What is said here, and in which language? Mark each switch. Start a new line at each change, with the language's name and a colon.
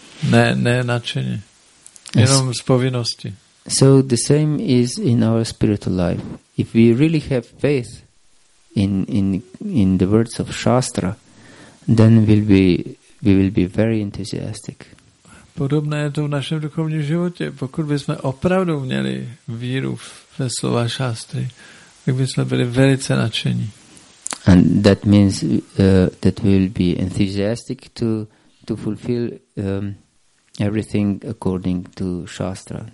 Czech: Ne nadšeně. Jenom z povinnosti.
English: So the same is in our spiritual life. If we really have faith in the words of Shastra, then we will be very enthusiastic.
Czech: Podobné je to v našem duchovním životě. Pokud bychom opravdu měli víru ve slova šástry, tak bychom byli velice nadšení.
English: And that means that we will be enthusiastic to fulfill everything according to Shastra.